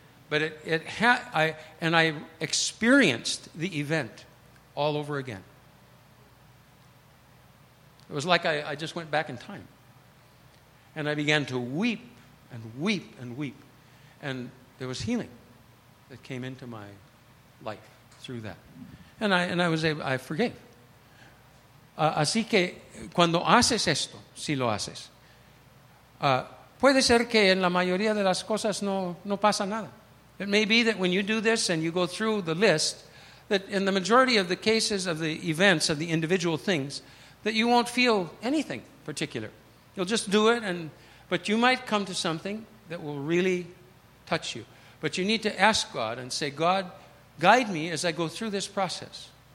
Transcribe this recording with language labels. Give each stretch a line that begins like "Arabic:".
English: But I experienced the event all over again. It was like I just went back in time. And I began to weep and weep and weep. And there was healing that came into my life through that. And I forgave.
Spanish: Así que cuando haces esto, si lo haces, puede ser que en la mayoría de las cosas no pasa nada.
English: It may be that when you do this and you go through the list, that in the majority of the cases of the events, of the individual things, that you won't feel anything particular. You'll just do it, but you might come to something that will really touch you. But you need to ask God and say, God, guide me as I go through this process.